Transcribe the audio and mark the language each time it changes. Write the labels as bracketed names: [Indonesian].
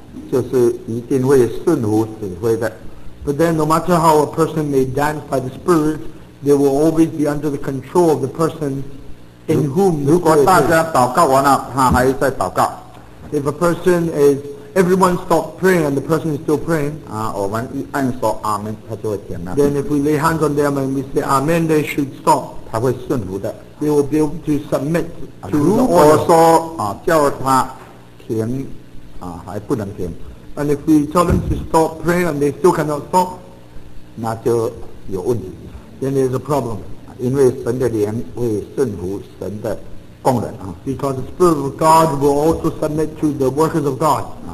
[Chinese] 不过怎么样的连舞啊，就是一定会顺服指挥的。 [English] But then no matter how a person may dance by the Spirit, they will always be under the control of the person in whom the Spirit is. [Chinese] 如果大家祷告完了，他还在祷告。 [English] If a person is, everyone stopped praying and the person is still praying, [Chinese] 我们一按说阿们, 他就会停了。 [English] Then if we lay hands on them and we say Amen, they should stop. [Chinese] 他会顺服的。 [English] They will be able to submit to the [Chinese] 如果说叫他停，还不能停。 [English] And if we tell them to stop praying and they still cannot stop, [Chinese] 那就有问题。 [English] Then there is a problem. [Chinese] 因为神的灵会顺服神的。 [English] Because the Spirit of God will also submit to the workers of God.